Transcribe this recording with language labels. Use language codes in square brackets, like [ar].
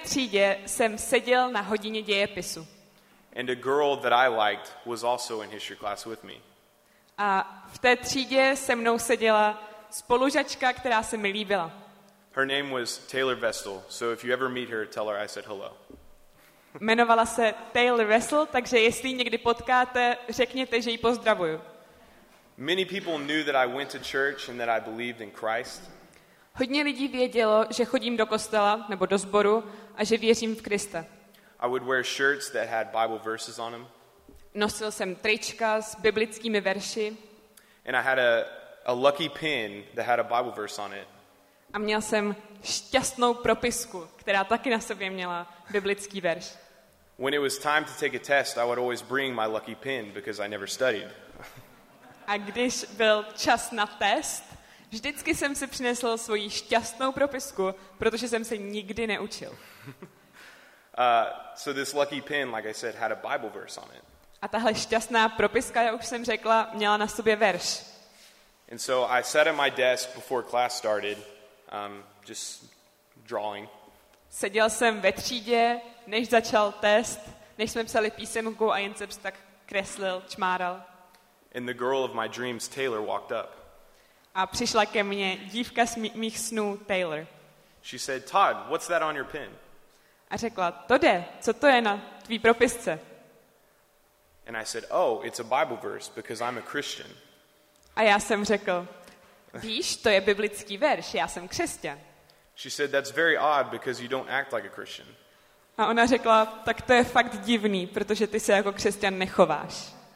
[cs] třídě jsem seděl na hodině dějepisu. [en] And a girl that I liked was also in history class with me. [cs] A v té třídě se mnou seděla spolužačka, která se mi líbila. [en] Her name was Taylor Vestal, so if you ever meet her, tell her I said hello. [cs] Jmenovala se Taylor Vestal, takže jestli někdy potkáte, řekněte, že ji pozdravuju. [en] Many people knew that I went to church and that I believed in Christ. [cs] Hodně lidí vědělo, že chodím do kostela nebo do sboru a že věřím v Krista. [en] I would wear shirts that had Bible verses on them. [cs] Nosil jsem trička s biblickými verši. [en] And I had a lucky pin that had a Bible verse on it. [cs] A měl jsem šťastnou propisku, která taky na sobě měla biblický verš. [en] When it was time to take a test, I would always bring my lucky pin because I never studied. [cs] A když byl čas na test, vždycky jsem si přinesl svoji šťastnou propisku, protože jsem se nikdy neučil. [en] So this lucky pin, like I said, had a Bible verse on it. [cs] A tahle šťastná propiska, jak už jsem řekla, měla na sobě verš. [en] And so I sat at my desk before class started, just drawing. [cs] Seděl jsem ve třídě, než začal test, než jsme psali písemku a jen jsem tak kreslil, čmáral. [en] And the girl of my dreams, Taylor, walked up. [cs] A přišla ke mně dívka z mých snů, Taylor. [en] She said, "Todd, what's that on your pin?" [cs] A řekla, Tode, co to je na tvý propisce? [en] And I said, "Oh, it's a Bible verse because I'm a Christian." [cs] A já jsem řekl, víš, to je biblický verš, já jsem křesťan. [en] She said, "That's very odd because you don't act like a Christian." [cs] A ona řekla, tak to je fakt divný, protože ty se jako křesťan nechováš.